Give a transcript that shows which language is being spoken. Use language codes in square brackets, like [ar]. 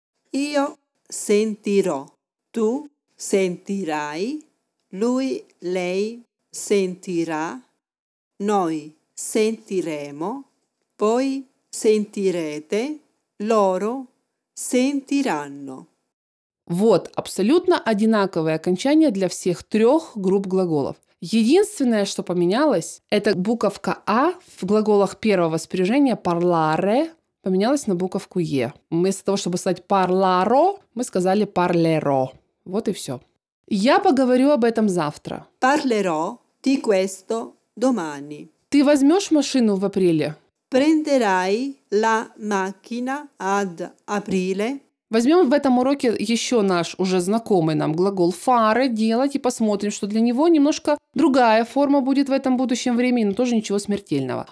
[it] Io sentirò, tu sentirai, lui, lei sentirà, noi sentiremo, voi sentirete, loro sentiranno. [ru] Вот абсолютно одинаковое окончание для всех трех групп глаголов. Единственное, что поменялось, это буковка «а» в глаголах первого спряжения «parlare» поменялась на буковку «е». Вместо того, чтобы сказать «parlaro», мы сказали «parlerò». Вот и все. Я поговорю об этом завтра. [it] «Parlerò di questo domani». [ru] Ты возьмешь машину в апреле? [it] «Prenderai la macchina ad aprile». [ru] Возьмем в этом уроке еще наш уже знакомый нам глагол «фары» – «делать» и посмотрим, что для него немножко другая форма будет в этом будущем времени, но тоже ничего смертельного.